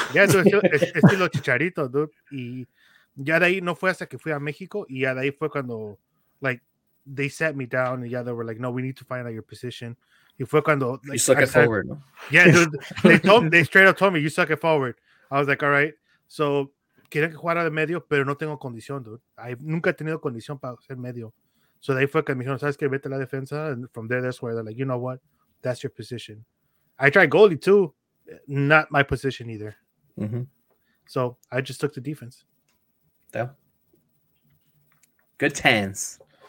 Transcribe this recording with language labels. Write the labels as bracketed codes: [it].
[es] Yeah, estilo Chicharito, dude. Y ya de ahí no fue hasta que fui a México, y ya de ahí fue cuando, [en] like, they sat me down, and yeah, they were like, no, we need to find out your position. You suck at forward. No? Yeah, dude, they straight up told me, you suck at forward. I was like, all right. So, [es] quería que jugara de medio, pero no tengo condición, [en] dude. I've [es] nunca tenido condición para ser medio. [en] So, they [es] fue que me dijeron, sabes que vete a la defensa. [en] And from there, that's where they're like, you know what? That's your position. I tried goalie too. Not my position either. Mm-hmm. So, I just took the defense. Yeah. Good tans.